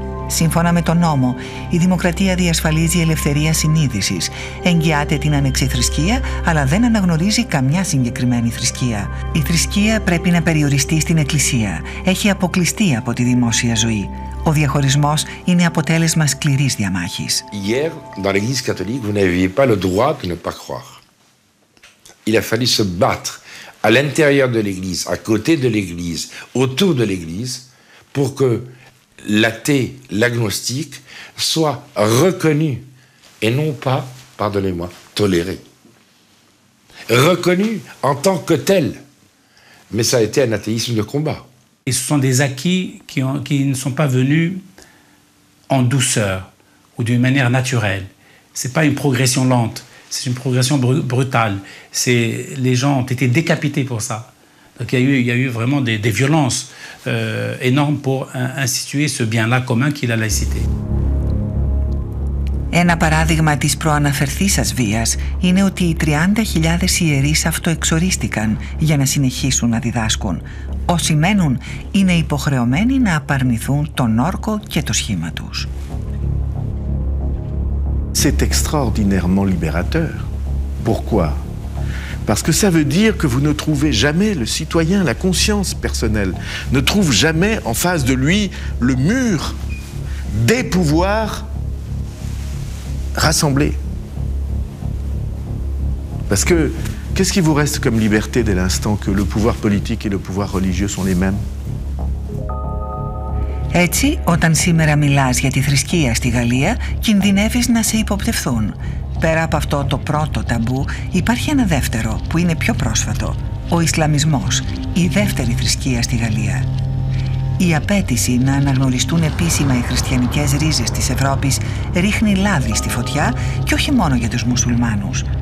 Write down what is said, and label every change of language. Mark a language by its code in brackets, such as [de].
[el] Σύμφωνα με τον νόμο, η δημοκρατία διασφαλίζει ελευθερία συνείδησης, εγγυάται την ανεξιθρησκεία, αλλά δεν αναγνωρίζει καμιά συγκεκριμένη θρησκεία. Η θρησκεία πρέπει να περιοριστεί στην Εκκλησία. Έχει αποκλειστεί από τη δημόσια ζωή. Ο διαχωρισμός είναι αποτέλεσμα σκληρής διαμάχης. [fr] Hier, dans l'Église catholique, vous n'aviez pas le droit de ne pas croire. Il a fallu se battre à l'intérieur de l'Église, à côté de l'Église, autour de l'Église, pour que l'athée, l'agnostique, soit reconnu et non pas, pardonnez-moi, toléré. Reconnu en tant que tel. Mais ça a été un athéisme de combat. Et ce sont des acquis qui ne sont pas venus en douceur ou d'une manière naturelle. Ce n'est pas une progression lente, c'est une progression brutale. Les gens ont été décapités pour ça. Donc il y a eu vraiment des violences énormes pour instituer ce bien-là commun qu'est la laïcité. [el] Ένα παράδειγμα της προαναφερθήσας βίας είναι ότι οι 30.000 ιερείς αυτοεξορίστηκαν για να συνεχίσουν να διδάσκουν. Όσοι μένουν είναι υποχρεωμένοι να απαρνηθούν τον όρκο και το σχήμα τους. [fr] C'est extraordinairement libérateur. Pourquoi? Parce que ça veut dire que vous ne trouvez jamais le citoyen, la conscience personnelle, ne trouve jamais en face de lui le mur des pouvoirs. Rassembler. Parce que qu'est-ce qui vous reste comme liberté dès l'instant que le pouvoir politique et le pouvoir religieux sont les mêmes? [el] Έτσι, όταν σήμερα μιλάς για τη θρησκεία στη Γαλλία, κινδυνεύεις να σε υποπτευθούν. Πέρα από αυτό το πρώτο ταμπού, υπάρχει ένα δεύτερο που είναι πιο πρόσφατο. Ο Ισλαμισμός, η δεύτερη θρησκεία στη Γαλλία. Η απέτηση να αναγνωριστούν επίσημα οι χριστιανικές ρίζες της Ευρώπης ρίχνει λάδι στη φωτιά και όχι μόνο για τους μουσουλμάνους.